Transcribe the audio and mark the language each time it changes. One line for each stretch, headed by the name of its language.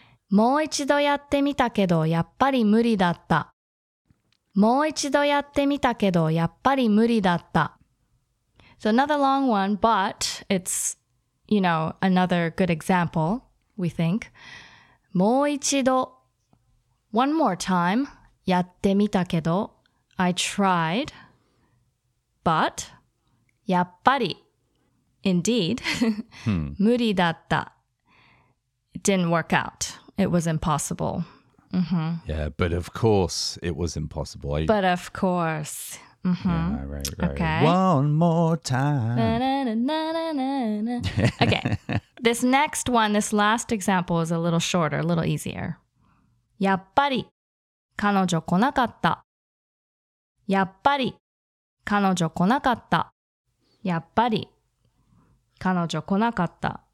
Japanese: もう一度やってみたけど、やっぱり無理だった。もう一度やってみたけど、やっぱり無理だった。
English: So another long one, but it's, you know, another good example, we think.
Japanese: もう一度
English: One more time.
Japanese: やってみたけど
English: I tried. But
Japanese: やっぱり
English: Indeed.
Japanese: 無理だった
English: It didn't work out. It was impossible. Mm-hmm. Yeah, but of course it was impossible. But of course... Mm-hmm. Yeah, right. Okay. One more time. Na, na, na, na, na, na. Okay. This next one, this last example is a little shorter, a little easier.
Japanese: やっぱり彼女来なかった。やっぱり彼女来なかった。やっぱり彼女来なかった。